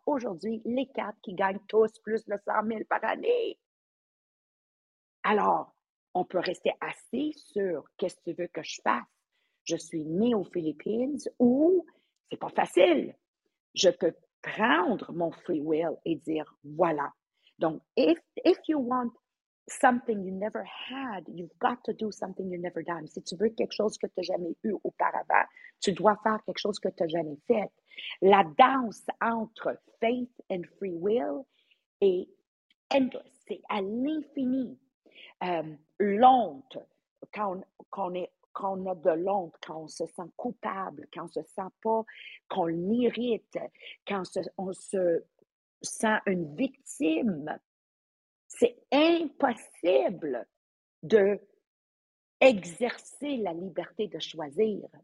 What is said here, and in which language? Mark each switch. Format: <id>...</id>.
<fr>Aujourd'hui, les 4 qui gagnent tous plus de 100 000 par année. Alors, on peut rester assis sur qu'est-ce que tu veux que je fasse. Je suis née aux Philippines ou c'est pas facile. Je peux prendre mon</fr> <en>free will</en> <fr>et dire voilà.</fr> <en>Donc, if you want something you never had, you've got to do something you've never done.</en> <fr>Si tu veux quelque chose que tu n'as jamais eu auparavant, tu dois faire quelque chose que tu n'as jamais fait. La danse entre</fr> <en>faith and free will</en> <fr>est</fr> <en>endless.</en> <fr>C'est à l'infini. L'honte, quand on a de l'honte, quand on se sent coupable, quand on ne se sent pas, qu'on l'irrite, quand on se sent une victime, c'est impossible d'exercer la liberté de choisir.</fr>